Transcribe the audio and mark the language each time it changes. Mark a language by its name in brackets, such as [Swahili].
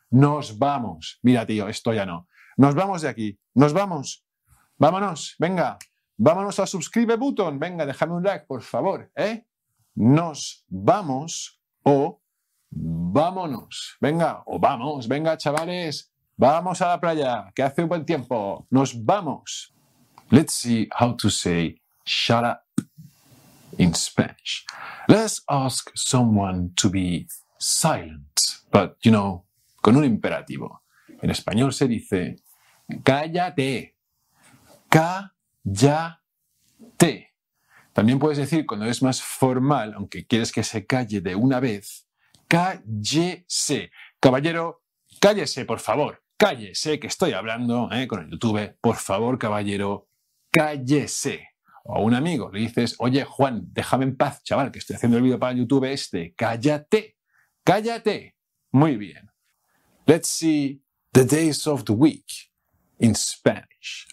[Spanish] Nos vamos. Mira, tío, esto ya no. Nos vamos de aquí. Nos vamos. Vámonos. Venga. Vámonos al [English] subscribe button. [Spanish] Venga, déjame un like, por favor. ¿Eh? Nos vamos o vámonos, venga, o vamos, venga, chavales, vamos a la playa, que hace un buen tiempo, nos vamos. [English] Let's see how to say shut up in Spanish. Let's ask someone to be silent, but, you know, [Spanish] con un imperativo. En español se dice cállate, cállate. También puedes decir cuando es más formal, aunque quieres que se calle de una vez, cállese. Caballero, cállese, por favor. Cállese, que estoy hablando con el YouTube. Por favor, caballero, cállese. O a un amigo le dices, oye, Juan, déjame en paz, chaval, que estoy haciendo el vídeo para el YouTube este. Cállate, cállate. Muy bien. [English] Let's see the days of the week in Spanish.